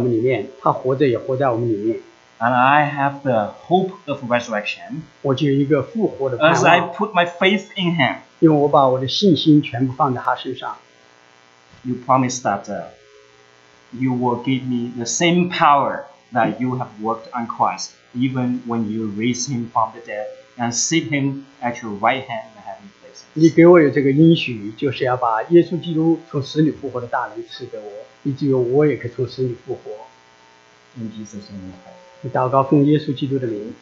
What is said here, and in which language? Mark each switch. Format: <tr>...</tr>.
<zh>那么他就活在我们里面。他就活在我们里面，他活着也活在我们里面。</zh> <en>And I have the hope of resurrection.</en> <zh>我就有一个复活的盼望。</zh> <en>As I put my faith in Him.</en> <zh>因为我把我的信心全部放在他身上。</zh> <en>You promised that. You will give me the same power that you have worked on Christ, even when you raise him from the dead and sit him at your right hand in the heavenly places.</en> <zh>你给我有这个应许，就是要把耶稣基督从死里复活的大能赐给我，以至于我也可从死里复活。</zh> <en>In Jesus' name.</en> <zh>你祷告奉耶稣基督的名。</zh>